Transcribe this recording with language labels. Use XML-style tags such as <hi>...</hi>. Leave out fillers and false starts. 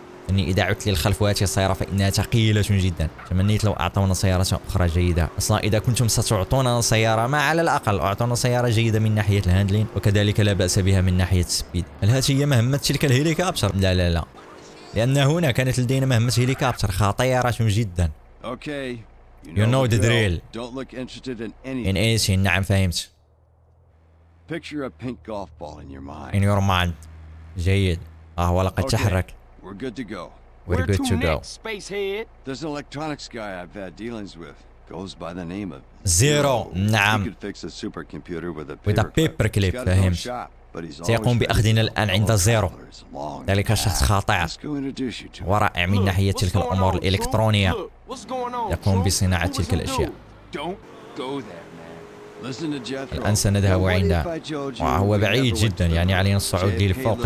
<ar>أني إذا عدت للخلف وهذه السيارة فإنها ثقيلة جدا، تمنيت لو أعطونا سيارة أخرى جيدة. أصلا إذا كنتم ستعطونا سيارة ما على الأقل أعطونا سيارة جيدة من ناحية الهاندلين، وكذلك لا بأس بها من ناحية السبيد. هل هذه هي مهمة تلك الهليكوبتر؟ لا لا لا، لأن هنا كانت لدينا مهمة هليكوبتر خطيرة جدا.</ar> <en>You know the drill. Don't look interested in anything. In anything.</en> <ar>نعم فهمت.</ar> <en>Picture a pink golf ball in your mind. In your mind.</en> <ar>جيد. هو لقد تحرك.</ar> <en>We're good to go. We're good to go. Spacehead. There's an electronics guy I've had dealings with. Goes by the name of Zero. نعم. He could fix a supercomputer with a paperclip.</en> <ar>فهمت. سيقوم بأخذنا الآن عند زيرو. ذلك الشخص خاطئ. ورائع من ناحية تلك الأمور الإلكترونية. يقوم بصناعة تلك الأشياء. الآن سنذهب عنده. وهو بعيد جدا، يعني علينا الصعود للفوق.</ar>